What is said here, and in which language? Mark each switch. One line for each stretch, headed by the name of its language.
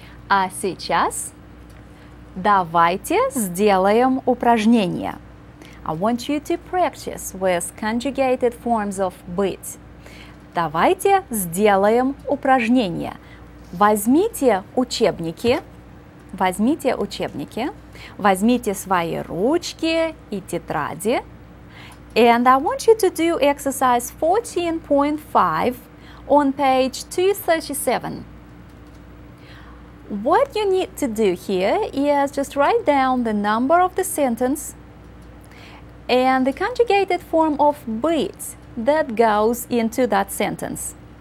Russian: А сейчас давайте сделаем упражнение.
English: I want you to practice with conjugated forms of быть.
Russian: Давайте сделаем упражнение. Возьмите учебники, возьмите свои ручки и тетради.
English: And I want you to do exercise 14.5 on page 237. What you need to do here is just write down the number of the sentence and the conjugated form of быть that goes into that sentence.